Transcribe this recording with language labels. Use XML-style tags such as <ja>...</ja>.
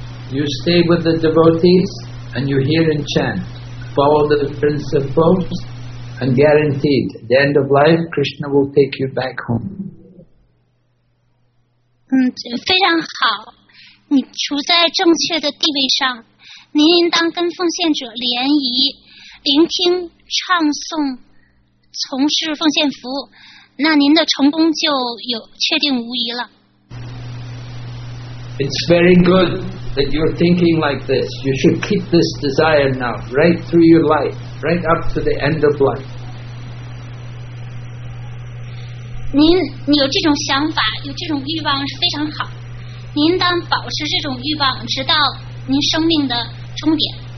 <en>You stay with the devotees and you hear and chant. Follow the principles and guaranteed at the end of life Krishna will take you back home.</en> <zh>非常好，你处在正确的地位上，您应当跟奉献者联谊，聆听唱诵，从事奉献服务，那您的成功就有确定无疑了。</zh> <en>It's very goodThat you're thinking like this, you should keep this desire now, right through your life, right up to the end of life.</en> <zh>您有这种想法，有这种欲望是非常好。您当保持这种欲望，直到您生命的终点。</zh>